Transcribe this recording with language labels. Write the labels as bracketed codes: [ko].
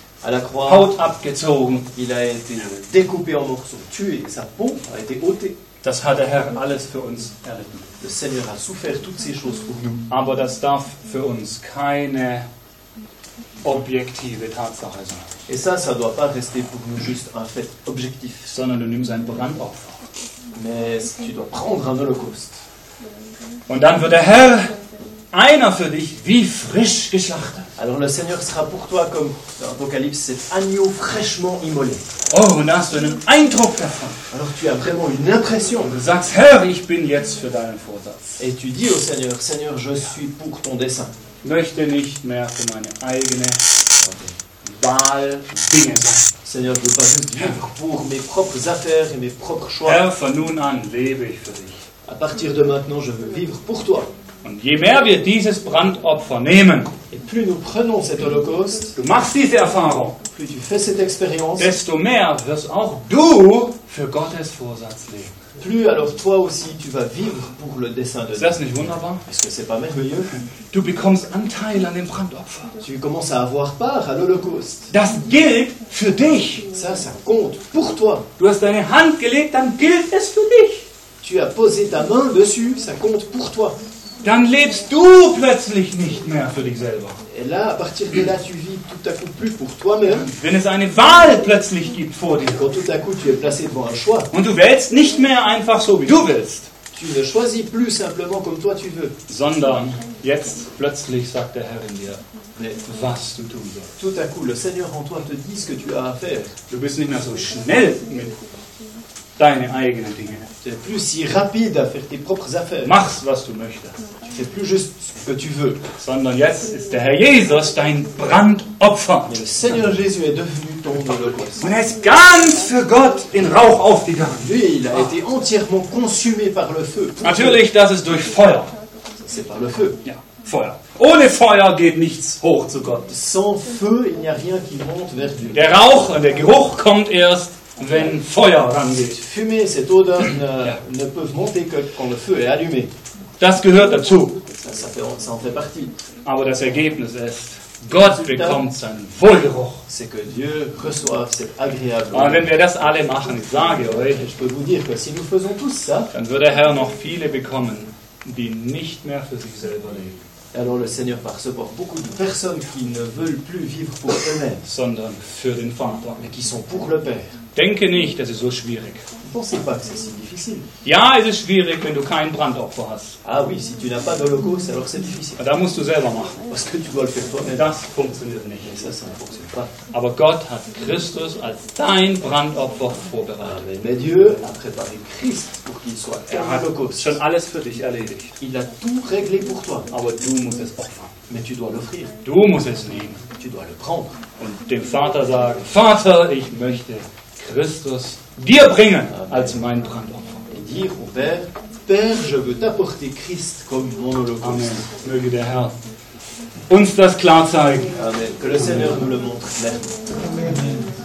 [fr] à la croix, [de] Haut abgezogen. [fr] Il a été découpé en morceaux, tué, sa peau a été ôtée. [de] Das hat der Herr alles für uns erlitten. [fr] Le Seigneur a souffert toutes ces choses pour nous. [de] Aber das darf für uns keine objektive Tatsache sein. [fr] Et ça, ça doit pas rester pour nous juste un fait objectif. [de] Sondern du nimmst ein Brandopfer. [fr] Mais tu dois prendre un holocauste. [de] Und dann wird der Herr einer für dich wie frisch geschlachtet. [fr] Alors le Seigneur sera pour toi comme dans l'Apocalypse cet agneau fraîchement immolé. [de] Oh, und hast du einen Eindruck davon. [fr] Alors tu as vraiment une impression. [de] Du sagst, Herr, ich bin jetzt für deinen Vorsatz. [fr] Et tu dis au Seigneur, Seigneur, je suis pour ton dessein. [de] Möchte nicht mehr für meine eigene Wahl Dinge sein. [fr] Seigneur, je veux pas juste vivre pour mes propres affaires et mes propres choix. [de] Herr, von nun an lebe ich für dich. [fr] À partir de maintenant, je veux vivre pour toi. [de] Und je mehr wir dieses Brandopfer nehmen, [fr] et plus nous prenons cet holocauste, [de] du machst diese Erfahrung, [fr] plus tu fais cette expérience, [de] desto mehr wirst auch du für Gottes Vorsatz leben. [fr] Plus alors toi aussi tu vas vivre pour le dessein de Dieu. [de] Ist das nicht wunderbar? [fr] Est-ce que c'est pas merveilleux? [de] Du bekommst Anteil an dem Brandopfer. [fr] Tu commences à avoir part à l'Holocauste. [de] Das gilt für dich. [fr] Ça, ça compte pour toi. [de] Du hast deine Hand gelegt, dann gilt es für dich. [fr] Tu as posé ta main dessus, ça compte pour toi. [de] Dann lebst du plötzlich nicht mehr für dich selber. [fr] Et là, à partir de là, tu vis tout à coup plus pour toi-même. [de] Wenn es eine Wahl plötzlich gibt vor dir. [fr] Quand tout à coup, tu es placé devant un choix. [de] Und du wählst nicht mehr einfach so, wie du willst. [fr] Tu ne choisis plus simplement comme toi tu veux. [de] Sondern jetzt plötzlich sagt der Herr in dir, was du tun sollst. [fr] Tout à coup, le Seigneur en toi te dit ce que tu as à faire. [de] Du bist nicht mehr so schnell mit deine eigenen Dinge. [fr] Tu es plus si rapide à faire tes propres affaires. [de] Machst, was du möchtest. [fr] Tu C'est plus juste ce que tu veux. [de] Sondern jetzt ist der Herr Jesus dein Brandopfer. [fr] Le Seigneur Jésus est devenu ton holocauste. [de] Und er ist ganz für Gott in Rauch aufgegangen. [fr] Lui, il a été entièrement consumé par le feu. [de] Natürlich, das ist durch Feuer. [fr] C'est par le feu. [de] Ja, Feuer. Ohne Feuer geht nichts hoch zu Gott. [fr] Sans feu, il n'y a rien qui monte vers Dieu. [de] Der Rauch und der Geruch kommt erst, wenn Feuer rangeht. [fr] Cette fumée, cette odeur ne peuvent monter que quand le feu est allumé. [de] Das gehört dazu. [fr] Ça en fait partie. [de] Aber das Ergebnis ist, Gott bekommt seinen Wohlgeruch. [fr] C'est que Dieu reçoit cette agréable. [de] Und wenn wir das alle machen, ich sage euch, [fr] je peux vous dire que si nous faisons tous ça, [de] dann wird der Herr noch viele bekommen, die nicht mehr für sich selber leben. [fr] Alors le Seigneur va recevoir beaucoup de personnes qui ne veulent plus vivre pour eux-mêmes, [de] sondern für den Vater, [fr] mais qui sont pour le Père. [de] Denke nicht, das ist so schwierig. [fr] Pensez pas que c'est si difficile. [de] Ja, es ist schwierig, wenn du kein Brandopfer hast. [fr] Ah oui, si tu n'as pas de locaux, alors c'est difficile. [de] Da musst du selber machen. [fr] Parce que tu dois le faire toi-même. [de] Das funktioniert nicht. [fr] Ça ne fonctionne pas. [de] Aber Gott hat Christus als dein Brandopfer vorbereitet. Amen. [fr] Mais Dieu a préparé Christ pour qu'il soit ton holocauste. [de] Er hat schon alles für dich erledigt. [fr] Il a tout réglé pour toi. [de] Aber du musst es opfern. [fr] Mais tu dois l'offrir. [de] Du musst es nehmen. [fr] Tu dois le prendre. [de] Und dem Vater sagen, Vater, ich möchte Christus dir bringen als mein Brandopfer. [fr] Dire au Père, Père, je veux t'apporter Christ comme mon holocauste. Amen. [de] Möge der Herr uns das klar zeigen. [fr] Amen. Que le Seigneur nous le montre clairement. Amen.